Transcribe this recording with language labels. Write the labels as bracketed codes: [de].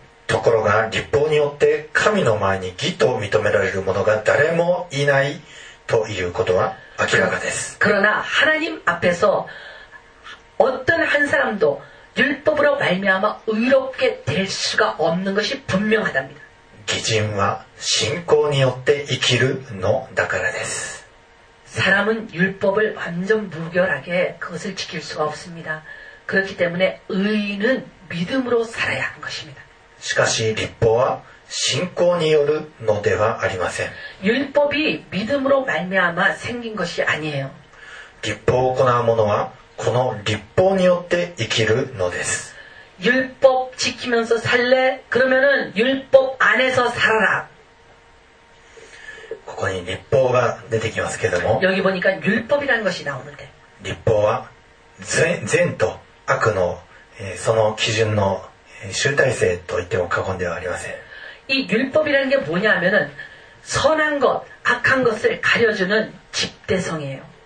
[ja] ところが律法によって神の前に義と認められる者が誰もいないということは明らかです [ko] 그러나하나님앞에서어떤한사람도율법으로말미암아의롭게될수가없는것이분명하답니다 [ja] 義人は信仰によって生きるのだからです [ko] 사람은율법을완전무결하게그것을지킬수가없습니다 그렇기때문에의는믿음으로살아야하는것입니다 [ja] しかし律法は信仰によるのではありません [ko] 율법이믿음으로말미암아생긴것이아니에요 [ja] 律法を行う者はこの律法によって生きるのです [ko] 율법지키면서살래그러면은율법안에서살아라 [ja] ここに律法が出てきますけども [ko] 여기보니까율법이라는것이나오는데 [ja] 律法は 善と悪の、その基準の集大成と言っても過言ではありません [ko] 이율법이라는게뭐냐면은선한것악한것을가려주는집대성이에요